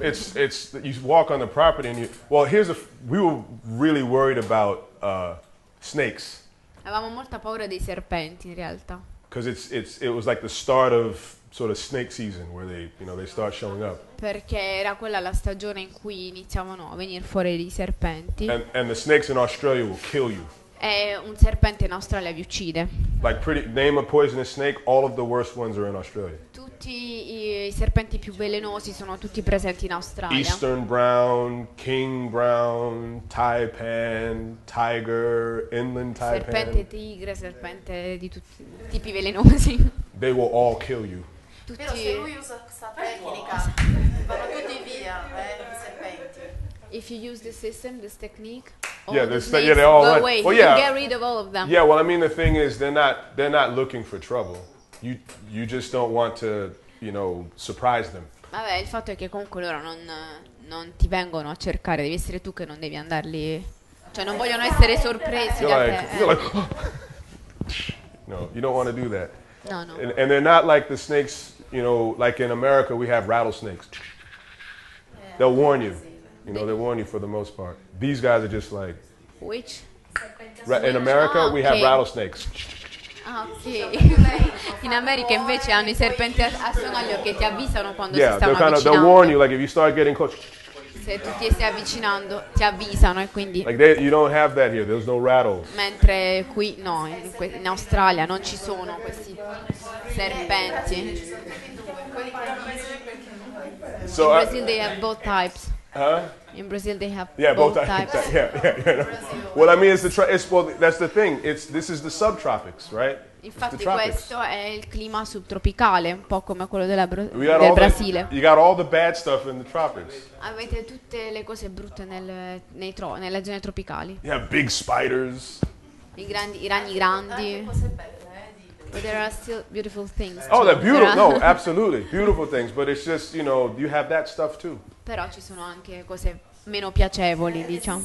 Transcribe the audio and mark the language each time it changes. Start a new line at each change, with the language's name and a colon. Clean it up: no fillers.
English: Yeah, it's you walk on the property and you. Well, we were really worried about snakes.
Italian: Avevamo molta paura dei serpenti in realtà.
English: Because it was like the start of sort of snake season where they start showing up.
Italian: Perché era quella la stagione in cui iniziavano a venire fuori i serpenti.
English: And the snakes in Australia will kill you.
Italian: E un serpente in Australia vi uccide.
English: Like pretty name a poisonous snake, all of the worst ones are in Australia.
Italian: Tutti i serpenti più velenosi sono tutti presenti in Australia.
English: Eastern brown, king brown, taipan, tiger, inland taipan.
Italian: Serpente tigre, serpente di tutti i tipi velenosi.
English: They will all kill you.
Italian: Tutti. Però se lui usa questa tecnica, vanno tutti via, i serpenti.
English: If you use the system, this technique, yeah, the snakes, yeah, they all go run. Away. Well, yeah. You can get rid of all of them. Yeah, well, I mean, the thing is, they're not looking for trouble. You just don't want to, surprise them.
Italian: Vabbè, il fatto è che comunque loro non ti vengono a cercare. Devi essere tu che non devi andarli. Cioè, non vogliono essere sorpresi.
English: You're
Italian: da
English: like,
Italian: te.
English: You're like, no, you don't want to do that. No, no. And they're not like the snakes, like in America, we have rattlesnakes. Yeah, they'll warn you. They warn you for the most part. These guys are just like. Which? In America, we have rattlesnakes.
Italian: Okay. In America invece hanno i serpenti a sonaglio che ti avvisano quando
English: yeah,
Italian: si stanno avvicinando.
English: They'll warn you, like if you start getting close.
Italian: Se tu ti stai avvicinando, ti avvisano e quindi.
English: Like you don't have that here. There's no rattles.
Italian: Mentre qui no, in Australia non ci sono questi serpenti.
English: So in Brazil they have both types. Huh? In Brazil, they have both types. Yeah, yeah, yeah. Well, I mean, it's the that's the thing. It's this is the subtropics, right?
Italian: Infatti, questo è il clima subtropicale, un po' come quello della del Brasile.
English: You got all the bad stuff in the tropics.
Italian: Avete tutte le cose brutte nelle zone tropicali.
English: You have big spiders.
Italian: I ragni grandi.
English: But there are still beautiful things. Oh, they're beautiful. No, absolutely. Beautiful things. But it's just, you know, you have that stuff too.
Italian: Però ci sono anche cose meno piacevoli, diciamo.